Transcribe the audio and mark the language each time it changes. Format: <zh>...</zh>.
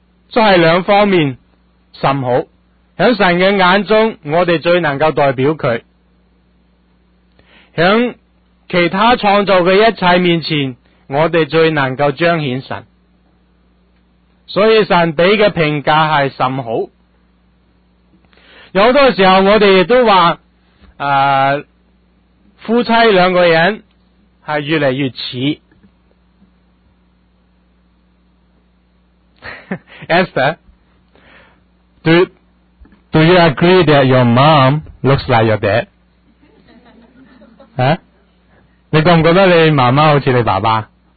<zh>所以两方面甚好，在神的眼中我们最能够代表他，在其他创造的一切面前我们最能够彰显神。所以神给的评价是甚好。有很多时候我们也都说夫妻两个人是越来越似。</zh> <en>Esther, do you agree that your mom looks like your dad?</en> <zh>你觉不觉得你妈妈好像你爸爸？</zh>